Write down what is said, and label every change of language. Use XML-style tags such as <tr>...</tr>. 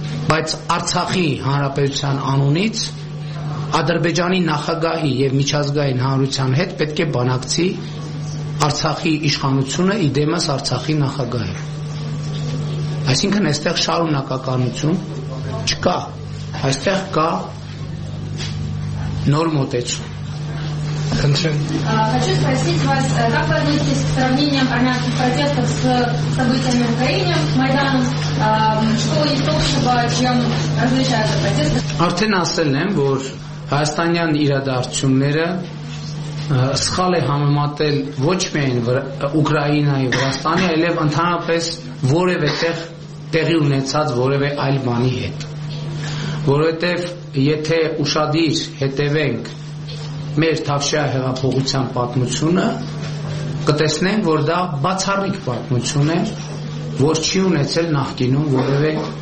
<hy>բայց Արցախի Հանրապետության անունից Ադրբեջանի նախագահի եւ միջազգային հանրության հետ պետք է բանակցի Արցախի իշխանությունը, իդեմս Արցախի նախագահը։ Այսինքն այստեղ շարունակականություն չկա, այստեղ կա նոր մոտեցում։</hy> <ru>Хочу спросить вас, как вы относитесь к сравнениям армянских протестов с событиями в Украине, Майданом? Что у них общего, чем различаются протесты?</ru> <hy>Արդեն ասել եմ, որ հայաստանյան իրադարձությունները սխալ է համեմատել ոչ միայն Ուկրաինայի Վրաստանի, այլև ընդհանրապես որևէ տեղ տեղի ունեցած որևէ այլ բանի հետ, որովհետև եթե ուշադիր հետևենք մեր Թավշյա հեղափոխության պատմությունը, կտեսնենք, որ դա բացառիկ պատմություն է, որ չի ունեցել նախկինում որևէ</hy>